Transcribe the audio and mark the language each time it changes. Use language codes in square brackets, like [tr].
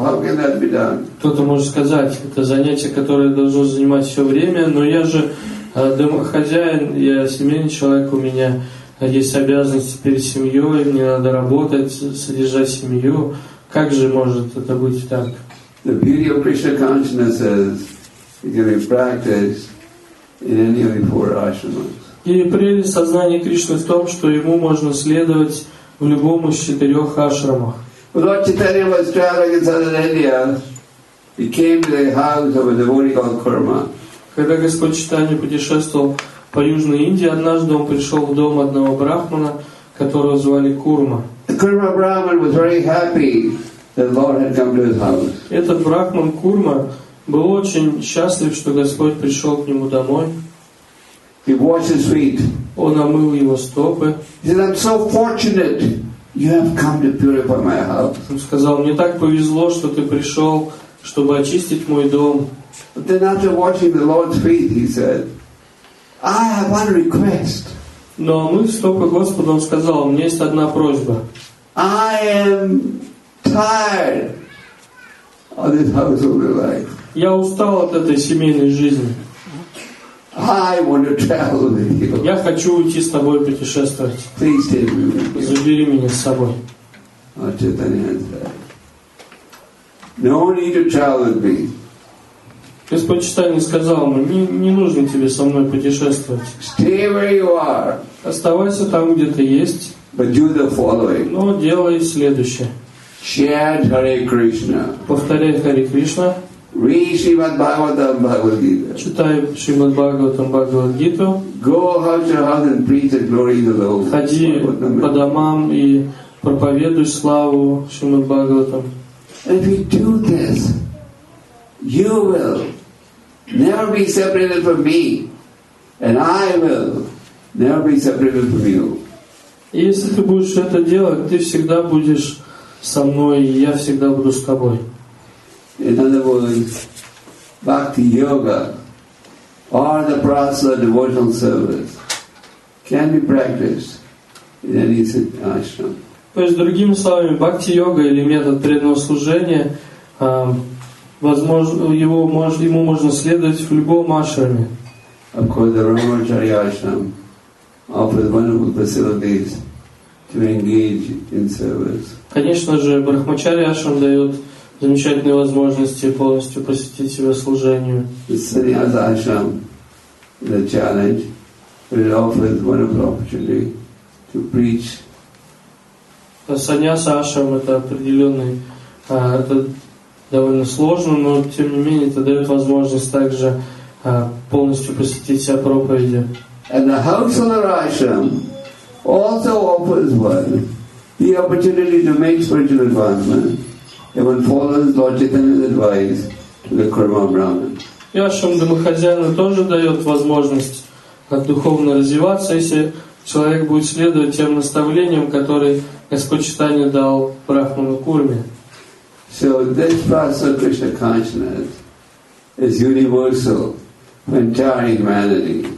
[en] How can that be done? [ru] Кто-то может сказать, это занятие, которое должно занимать все время, но я же домохозяин, я семейный человек, у меня есть обязанности перед семьей, мне надо работать, содержать семью. Как же может это быть так? [en] The beauty of Krishna consciousness is it can be practiced in any of the four ashramas. [ru] И прелесть сознания Кришны в том, что ему можно следовать в любом из четырех ашрамах. [en] Lord Chaitanya was traveling in southern India. He came to the house of a devotee called Kurma. [ru] Когда Господь Чайтанья путешествовал по Южной Индии, однажды он пришел в дом одного брахмана, которого звали Курма. [en] Kurma Brahman was very happy that Lord had come to his house. [ru] Этот брахман Курма был очень счастлив, что Господь пришел к нему домой. [en] He washed his feet. [ru] Он омыл его стопы. [en] He said, "I'm so fortunate you have come to purify my house." [ru] Он сказал, мне так повезло, что ты пришел, чтобы очистить мой дом. [en] But then after washing the Lord's feet, he said, "I have one request." [ru] Но омыв стопы Господа, он сказал, у меня есть одна просьба. [en] I am tired of this household life. [ru] Я устал от этой семейной жизни. [en] I want to travel with you. [ru] Я хочу уйти с тобой путешествовать. [en] Please take me with you. [ru] Забери меня с собой. [en] Lord Chaitanya said, "No need to travel with me." [ru] Господь Чайтанья сказал ему, не нужно тебе со мной путешествовать. [en] Stay where you are. [ru] Оставайся там, где ты есть. [en] But do the following. [ru] Но делай следующее. [en] Chant Hare Krishna. [ru] Повторяй Хари Кришна. [en] Read Shrimad Bhagavatam Bhagavad Gita. [ru] Читай Шримад Бхагаватам Бхагавад Гиту. [en] Go out your house and preach the glory of the Lord. [ru] Ходи по домам и проповедуй славу Шримад Бхагаватам. [en] If you do this, you will never be separated from me, and I will never be separated from you. [ru] Если ты будешь это делать, ты всегда будешь со мной, и я всегда буду с тобой. [en] In other words, bhakti yoga or the process of devotional service can be practiced in any ashram. [ru] То есть другими словами, бхакти йога или метод преданного служения возможно, ему можно следовать в любом ашраме. [en] Of course, the Ramachari ashram offers wonderful facilities to engage in service. [ru] Конечно же, Брахмачари ашрам дает замечательные возможности полностью посвятить себя служению. [en] The Sannyasa ashram is a challenge, but it offers wonderful opportunity to preach. [ru] Sannyasa ashram это определенный довольно сложно, но тем не менее это дает возможность также полностью посвятить себя проповеди. [en] And the householder ashram also offers one the opportunity to make spiritual advancement if one follows Lord Chaitanya's advice to the Kurma Brahman. [ru] И ашрам домохозяина тоже дает возможность как духовно развиваться, если человек будет следовать тем наставлениям, которые Господь Чайтанья дал брахману Курме. [en] So this process of Krishna consciousness is universal for entire humanity.